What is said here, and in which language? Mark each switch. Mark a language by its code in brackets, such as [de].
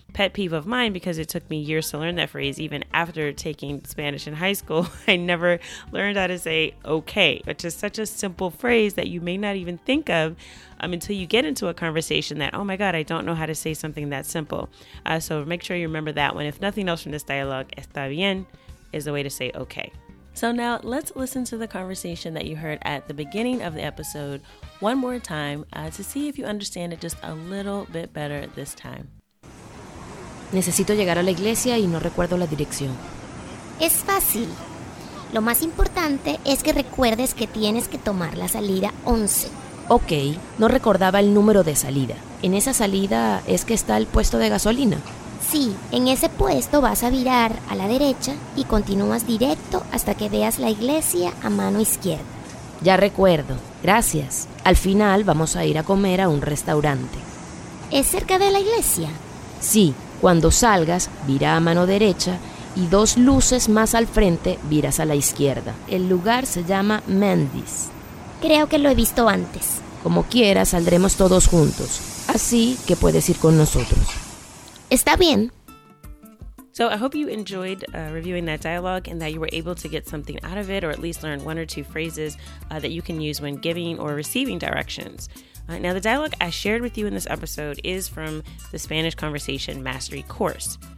[en] Pet peeve of mine, because it took me years to learn that phrase. Even after taking Spanish in high school, I never learned how to say okay, which is such a simple phrase that you may not even think of until you get into a conversation that, oh my God, I don't know how to say something that simple. So make sure you remember that one. If nothing else from this dialogue, [es] está bien [en] is the way to say okay. So now let's listen to the conversation that you heard at the beginning of the episode one more time to see if you understand it just a little bit better this time. [es] Necesito llegar a la iglesia y no recuerdo la dirección. Es fácil. Lo más importante es que recuerdes que tienes que tomar la salida 11. Ok, no recordaba el número de salida. ¿En esa salida es que está el puesto de gasolina? Sí, en ese puesto vas a virar a la derecha y continúas directo hasta que veas la iglesia a mano izquierda. Ya recuerdo, gracias. Al final vamos a ir a comer a un restaurante. ¿Es cerca de la iglesia? Sí, cuando salgas, vira a mano derecha y dos luces más al frente viras a la izquierda. El lugar se llama Mendy's. Creo que lo he visto antes. Como quiera, saldremos todos juntos, así que puedes ir con nosotros. Está bien. [en] So I hope you enjoyed reviewing that dialogue and that you were able to get something out of it, or at least learn one or two phrases that you can use when giving or receiving directions. Now, the dialogue I shared with you in this episode is from the Spanish Conversation Mastery course.